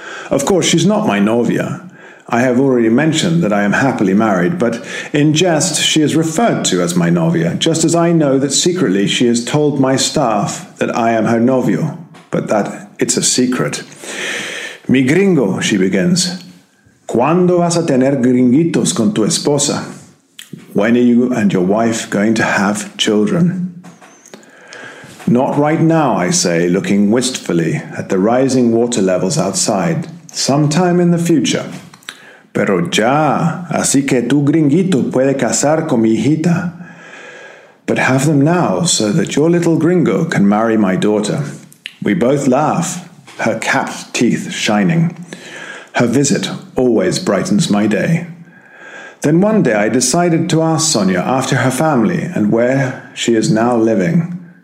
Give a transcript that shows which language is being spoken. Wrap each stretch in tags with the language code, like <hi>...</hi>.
<en>Of course, she's not my Novia. I have already mentioned that I am happily married, but in jest, she is referred to as my Novia, just as I know that secretly she has told my staff that I am her Novio, but that it's a secret.</en> <es>Mi gringo,</es> <en>she begins.</en> <es>¿Cuándo vas a tener gringuitos con tu esposa?</es> <en>When are you and your wife going to have children? Not right now, I say, looking wistfully at the rising water levels outside. Sometime in the future.</en> <es>Pero ya, así que tu gringuito puede casar con mi hijita.</es> <en>But have them now so that your little gringo can marry my daughter. We both laugh, her capped teeth shining. Her visit always brightens my day. Then one day I decided to ask Sonia after her family and where she is now living.</en>